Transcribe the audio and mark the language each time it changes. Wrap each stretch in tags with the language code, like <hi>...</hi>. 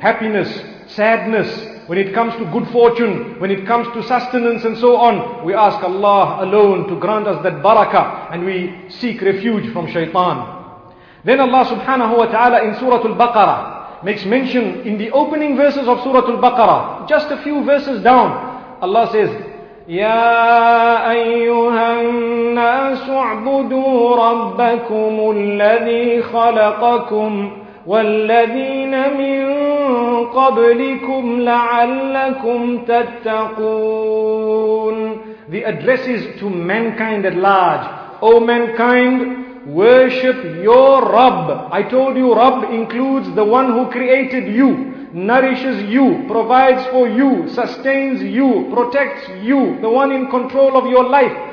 <en>Happiness, sadness, when it comes to good fortune, when it comes to sustenance and so on, we ask Allah alone to grant us that barakah, and we seek refuge from shaitan. Then Allah subhanahu wa ta'ala in Surah Al-Baqarah makes mention in the opening verses of Surah Al-Baqarah, just a few verses down, Allah says,</en> <ar>يا أيها الناس اعبدوا ربكم الذي خلقكم والذين من قبلكم لعلكم تتقون.</ar> <en>The addresses to mankind at large. O mankind, worship your Rabb. I told you Rabb includes the one who created you, nourishes you, provides for you, sustains you, protects you, the one in control of your life.</en>